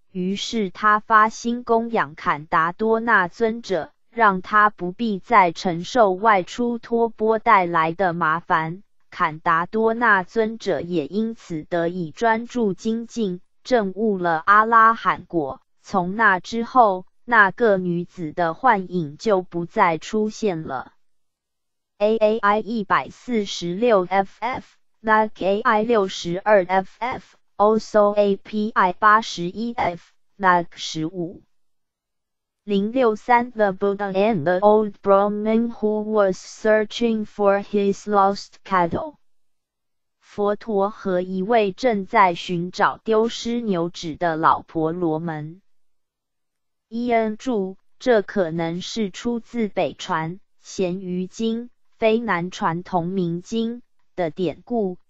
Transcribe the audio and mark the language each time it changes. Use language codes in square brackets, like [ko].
[zh] 于是他发心供养坎达多纳尊者，让他不必再承受外出托钵带来的麻烦。坎达多纳尊者也因此得以专注精进，证悟了阿拉罕果。从那之后，那个女子的幻影就不再出现了。 [en] AAI 146FF Lag AI 62FF Also API 81F Lag 15063 The Buddha and the old Brahmin who was searching for his lost cattle. [zh] 佛陀和一位正在寻找丢失牛只的老婆罗门。伊恩注：这可能是出自北传《咸鱼经》非南传同名经的典故。